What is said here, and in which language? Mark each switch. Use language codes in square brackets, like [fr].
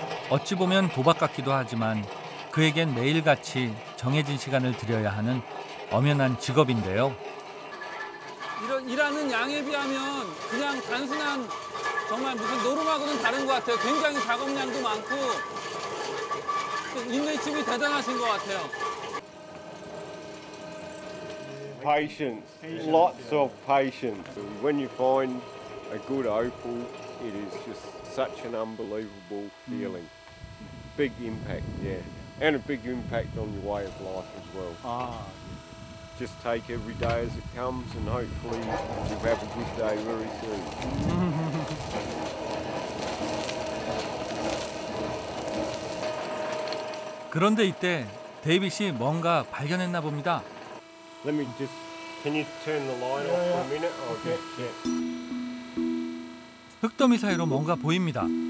[ko] 어찌 보면 도박 같기도 하지만 그에겐 매일같이 정해진 시간을 들여야 하는 엄연한 직업인데요. 이런 일하는 양에 비하면 그냥 단순한 정말 무슨 노름하고는 다른 것 같아요. 굉장히 작업량도 많고 인내심이 대단하신 것 같아요. [en] Patience, lots of patience. When you find a good opal, it is just such an unbelievable feeling. Big impact, yeah. And a big impact on your way of life as well. Just take every day as it comes and hopefully you'll have a good day very soon. [ko] 그런데 이때 데이빗이 뭔가 발견했나 봅니다. [en] Let me just, can you turn the light off for a minute? I'll just check. [ko] 흙더미 사이로 뭔가 보입니다.